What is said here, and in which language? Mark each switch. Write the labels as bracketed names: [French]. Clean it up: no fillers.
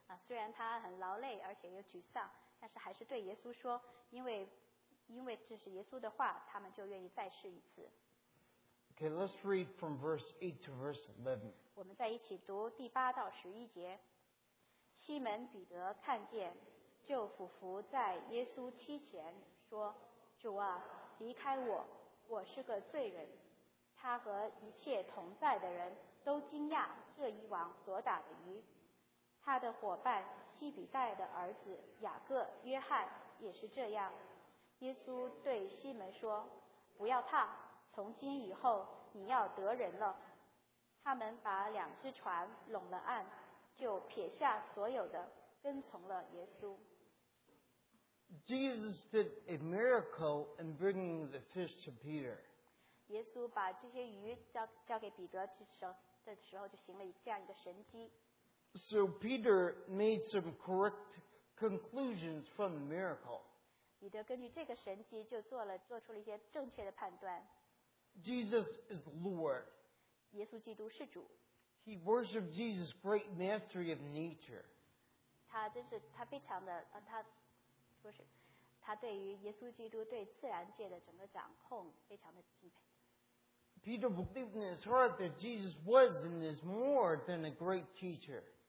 [Chinese] 虽然他很劳累，而且又沮丧，但是还是对耶稣说，因为这是耶稣的话，他们就愿意再试一次。 [English] Okay, let's read from verse 8 to verse 11. [Chinese] 我们再一起读第八到十一节。西门彼得看见，就俯伏在耶稣膝前，说：“主啊，离开我，我是个罪人。” 他和一切同在的人都惊讶这一网所打的鱼。他的伙伴西比带的儿子雅各、约翰也是这样。耶稣对西门说：“不要怕。” 从今以后你要得人了。他们把两只船拢了岸，就撇下所有的跟从了耶稣。 [English] Jesus did a miracle in bringing the fish to Peter. [Chinese] 耶稣把这些鱼 交给彼得的时候就行了这样一个神迹。 [English] So Peter made some correct conclusions from the miracle. [Chinese] 彼得根据这个神迹就做出了一些正确的判断。 [English] Jesus is Lord. [Chinese] 耶稣基督是主。 [English] He worshipped Jesus' great mastery of nature. [Chinese] 他非常的他不是他对于耶稣基督对自然界的整个掌控非常的敬佩。 [English] Peter believed in his heart that Jesus was and is more than a great teacher.